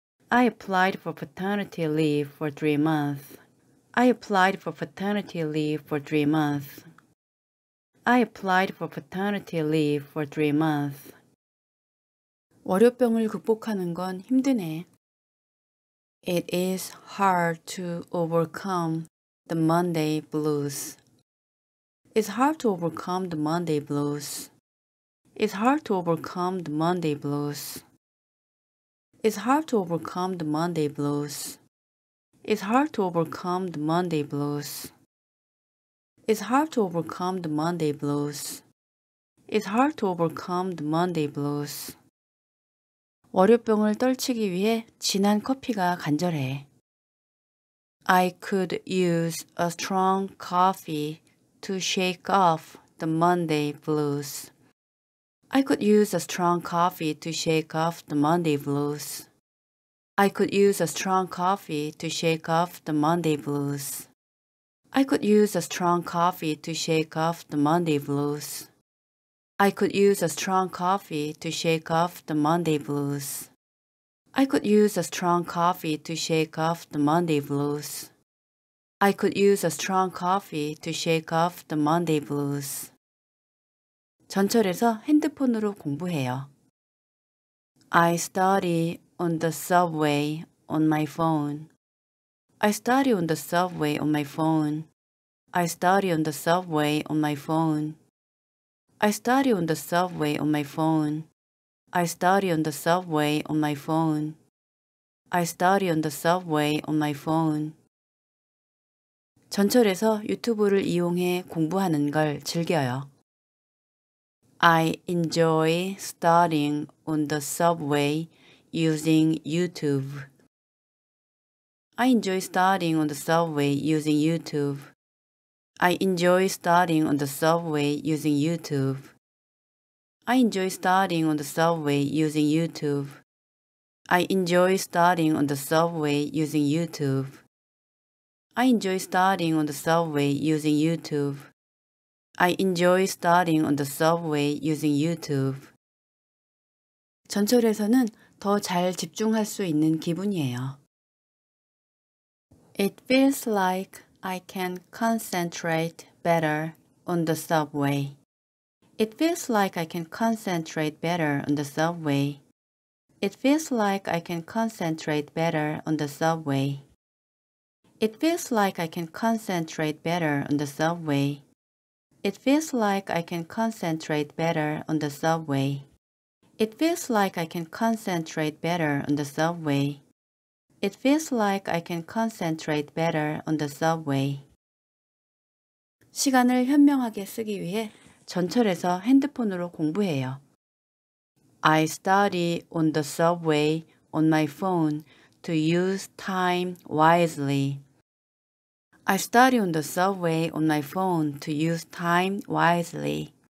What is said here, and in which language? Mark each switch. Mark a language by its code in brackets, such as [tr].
[en] I applied for paternity leave for 3 months. I applied for paternity leave for 3 months. I applied for paternity leave for 3 months. [ko] 월요병을 극복하는 건 힘드네. [en] It is hard to overcome the Monday blues. It's hard to overcome the Monday blues. It's hard to overcome the Monday blues. It's hard to overcome the Monday blues. It's hard to overcome the Monday blues. It's hard to overcome the Monday blues. It's hard to overcome the Monday blues. [ko] 월요병을 떨치기 위해 진한 커피가 간절해. [en] I could use a strong coffee to shake off the Monday blues. I could use a strong coffee to shake off the Monday blues. I could use a strong coffee to shake off the Monday blues. I could use a strong coffee to shake off the Monday blues. I could use a strong coffee to shake off the Monday blues. I could use a strong coffee to shake off the Monday blues. I could use a strong coffee to shake off the Monday blues. [ko] 전철에서 핸드폰으로 공부해요. [en] I study on the subway on my phone. I study on the subway on my phone. I study on the subway on my phone. I study on the subway on my phone. I study on the subway on my phone. I study on the subway on my phone. [ko] 전철에서 유튜브를 이용해 공부하는 걸 즐겨요. [en] I enjoy studying on the subway using YouTube. I enjoy studying on the subway using YouTube. I enjoy studying on the subway using YouTube. I enjoy studying on the subway using YouTube. I enjoy studying on the subway using YouTube. I enjoy studying on the subway using YouTube. I enjoy studying on the subway using YouTube. [ko] 전철에서는 더 잘 집중할 수 있는 기분이에요. [en] It feels like I can concentrate better on the subway. It feels like I can concentrate better on the subway. It feels like I can concentrate better on the subway. It feels like I can concentrate better on the subway. It feels like I can concentrate better on the subway. It feels like I can concentrate better on the subway. It feels like I can concentrate better on the subway. [ko] 시간을 현명하게 쓰기 위해 전철에서 핸드폰으로 공부해요. [en] I study on the subway on my phone to use time wisely. I study on the subway on my phone to use time wisely.